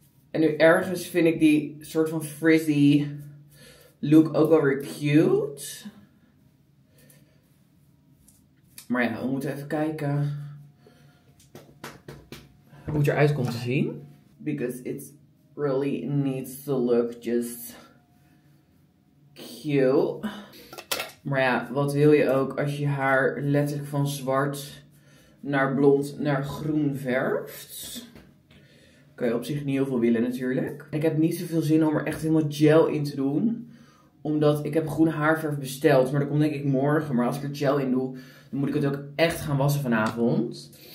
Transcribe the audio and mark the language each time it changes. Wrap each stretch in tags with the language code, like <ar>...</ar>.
<nl>En nu ergens vind ik die soort van frizzy look ook wel weer cute. Maar ja, we moeten even kijken hoe het eruit komt te zien.</nl> <en>Because it really needs to look just cute.</en> <nl>Maar ja, wat wil je ook als je haar letterlijk van zwart naar blond naar groen verft? Kan je op zich niet heel veel willen natuurlijk. Ik heb niet zoveel zin om er echt helemaal gel in te doen. Omdat ik heb groen haarverf besteld. Maar dat komt denk ik morgen. Maar als ik er gel in doe, dan moet ik het ook echt gaan wassen vanavond.</nl>